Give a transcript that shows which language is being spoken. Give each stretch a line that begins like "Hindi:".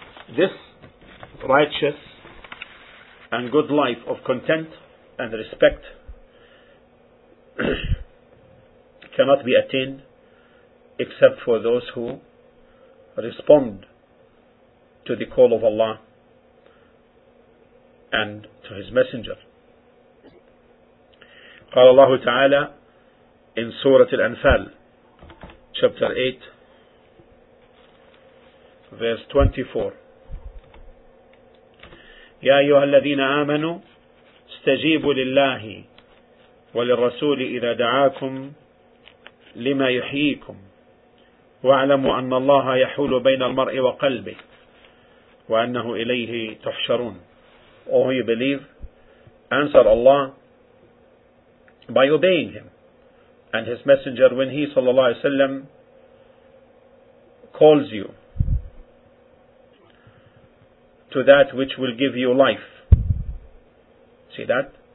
English: This righteous and good life of content and respect cannot be attained except for those who respond to the call of Allah and to His Messenger.
Arabic: قال الله تعالى
English: in Surah Al-Anfal, chapter 8, verse 24.
Arabic: يا أيها الذين آمنوا استجيبوا لله وللرسول إذا دعاكم لما يحييكم واعلموا أن الله يحول بين المرء وقلبه وأنه إليه تحشرون.
English: Oh, you believe, answer Allah by obeying Him and His Messenger when He
Arabic: صلى الله عليه وسلم
English: calls you to that which will give you life. See that?